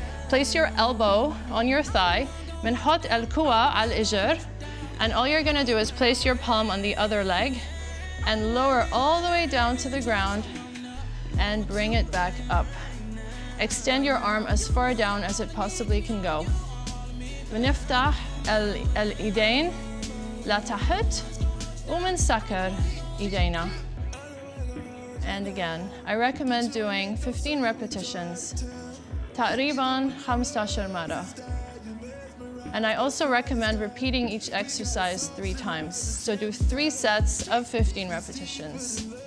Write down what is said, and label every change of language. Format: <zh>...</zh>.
<en>Place your elbow on your thigh,</en> <ar>منحط الكوع على الإجر.</ar> <en>And all you're gonna do is place your palm on the other leg and lower all the way down to the ground and bring it back up. Extend your arm as far down as it possibly can go.</en> <ar>منفتح الإيدين لتحت ومنسكر إيدينا.</ar> <en>And again, I recommend doing 15 repetitions.</en> <ar>تقريباً 15 مرة.</ar> <en>And I also recommend repeating each exercise 3 times. So do 3 sets of 15 repetitions.</en>